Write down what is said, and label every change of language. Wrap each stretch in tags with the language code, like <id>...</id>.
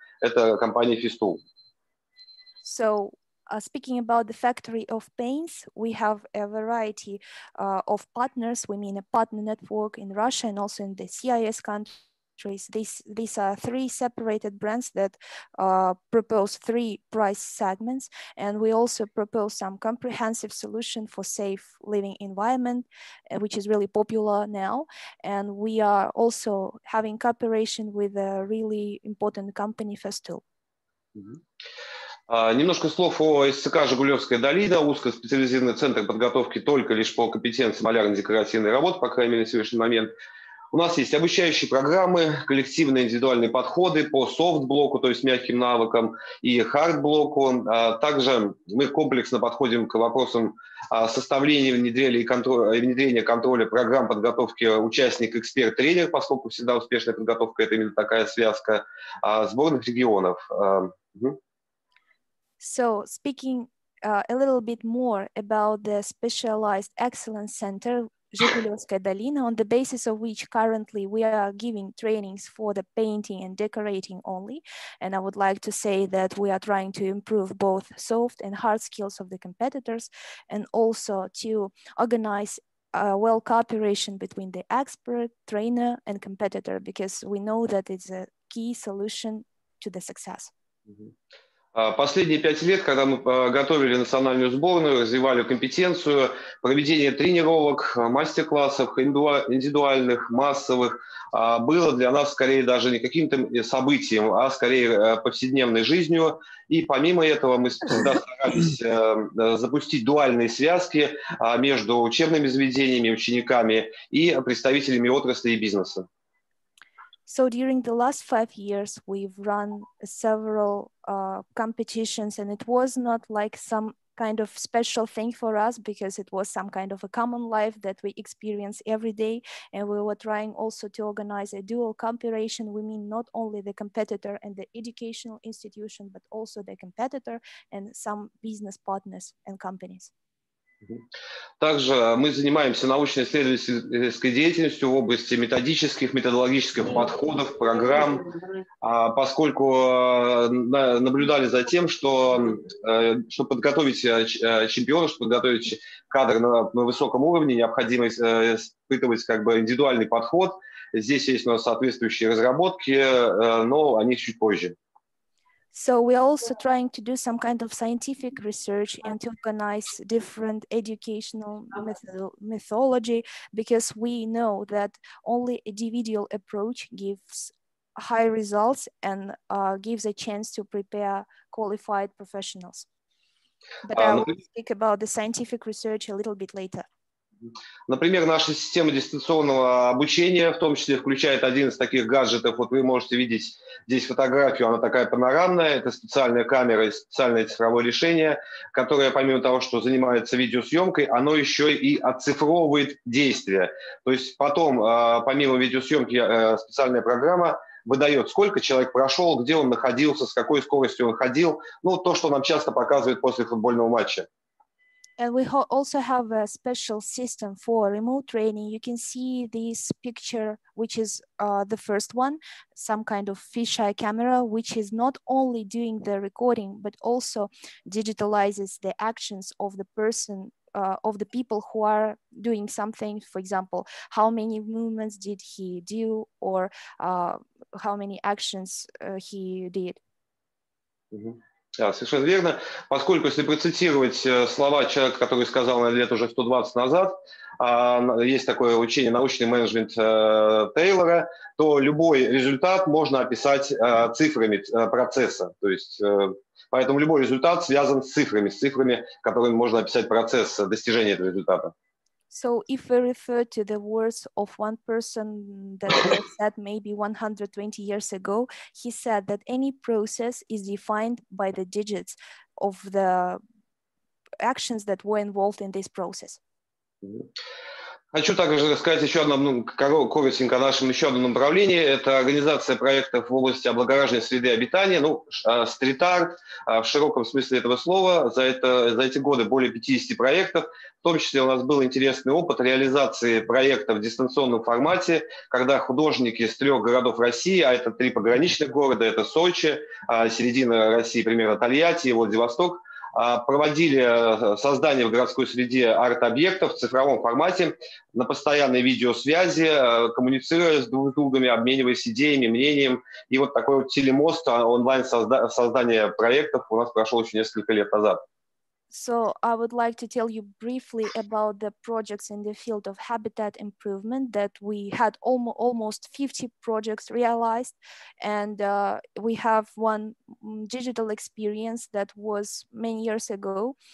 <ru>Это компания Fistool.</ru> <en>So, speaking about the factory of paints, we have a variety of partners. We mean a partner network in Russia and also in the CIS countries. These are three separated brands that propose three price segments. And we also propose some comprehensive solution for safe living environment, which is really popular now. And we are also having cooperation with a really important company, Fistool.</en> <ru>Немножко слов о СЦК «Жигулевская долина», узкоспециализированный центр подготовки только лишь по компетенции малярно-декоративной работы, по крайней мере, на сегодняшний момент. У нас есть обучающие программы, коллективные индивидуальные подходы по софт-блоку, то есть мягким навыкам, и хард-блоку. Также мы комплексно подходим к вопросам составления, внедрения контроля программ подготовки участник-эксперт-тренер, поскольку всегда успешная подготовка – это именно такая связка сборных регионов.</ru> <en>So, speaking a little bit more about the Specialized Excellence Center, Жигулевская долина, on the basis of which currently we are giving trainings for the painting and decorating only. And I would like to say that we are trying to improve both soft and hard skills of the competitors, and also to organize well cooperation between the expert, trainer, and competitor, because we know that it's a key solution to the success.</en> <ru>Последние 5 лет, когда мы готовили национальную сборную, развивали компетенцию, проведение тренировок, мастер-классов, индивидуальных, массовых, было для нас скорее даже не каким-то событием, а скорее повседневной жизнью. И помимо этого мы всегда старались запустить дуальные связки между учебными заведениями, учениками и представителями отрасли и бизнеса.</ru> <en>So during the last 5 years, we've run several competitions, and it was not like some kind of special thing for us, because it was some kind of a common life that we experience every day. And we were trying also to organize a dual cooperation. We mean not only the competitor and the educational institution, but also the competitor and some business partners and companies.</en> <ru>Также мы занимаемся научно-исследовательской деятельностью в области методических, методологических подходов, программ, поскольку наблюдали за тем, что чтобы подготовить чемпиона, чтобы подготовить кадр на высоком уровне, необходимо испытывать как бы индивидуальный подход. Здесь есть у нас соответствующие разработки, но о них чуть позже.</ru> <en>So we are also trying to do some kind of scientific research and to organize different educational methodology, because we know that only a individual approach gives high results and gives a chance to prepare qualified professionals. But I will speak about the scientific research a little bit later.</en> <ru>Например, наша система дистанционного обучения в том числе включает один из таких гаджетов. Вот вы можете видеть здесь фотографию, она такая панорамная. Это специальная камера, специальное цифровое решение, которое помимо того, что занимается видеосъемкой, оно еще и оцифровывает действия. То есть потом, помимо видеосъемки, специальная программа выдает, сколько человек прошел, где он находился, с какой скоростью он ходил. Ну, то, что нам часто показывают после футбольного матча.</ru> <en>And we also have a special system for remote training. You can see this picture, which is the first one, some kind of fisheye camera, which is not only doing the recording, but also digitalizes the actions of the person, of the people who are doing something. For example, how many movements did he do, or how many actions he did.</en> <ru>Mm-hmm. Да, совершенно верно. Поскольку, если процитировать слова человека, который сказал лет уже 120 назад, есть такое учение «Научный менеджмент Тейлора», то любой результат можно описать цифрами процесса. То есть, поэтому любой результат связан с цифрами которыми можно описать процесс достижения этого результата.</ru> <en>So if we refer to the words of one person that was said maybe 120 years ago, he said that any process is defined by the digits of the actions that were involved in this process.</en> <ru>Хочу также рассказать еще одно, ну, коротенько о нашем еще одном направлении. Это организация проектов в области облагораживания среды обитания, ну, стрит-арт в широком смысле этого слова. За эти годы более 50 проектов. В том числе у нас был интересный опыт реализации проекта в дистанционном формате, когда художники из трех городов России, а это три пограничных города, это Сочи, середина России, примерно Тольятти и Владивосток, проводили создание в городской среде арт-объектов в цифровом формате на постоянной видеосвязи, коммуницируя с друг с другом, обмениваясь идеями, мнением. И вот такой вот телемост онлайн-создания проектов у нас прошел еще несколько лет назад.</ru> <en>So I would like to tell you briefly about the projects in the field of habitat improvement that we had almost 50 projects realized, and we have one digital experience that was many years ago.</en>